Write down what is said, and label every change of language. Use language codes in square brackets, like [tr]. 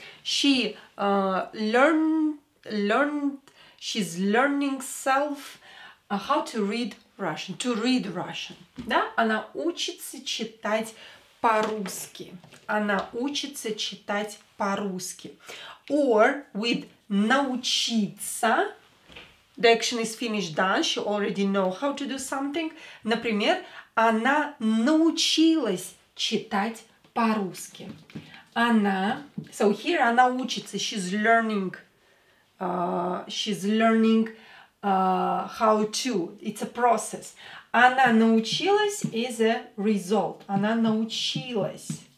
[en] She learned, she's learning self how to read Russian, to read Russian, да? [ru] Она учится читать по-русски. Она учится читать по-русски. [en] Or with научиться, the action is finished, done, she already know how to do something. [ru] Например, она научилась читать по-русски. [en] Она, so here [ru] она учится, [en] she's learning how to, it's a process. [ru] Она научилась [en] is a result. [ru] Она научилась.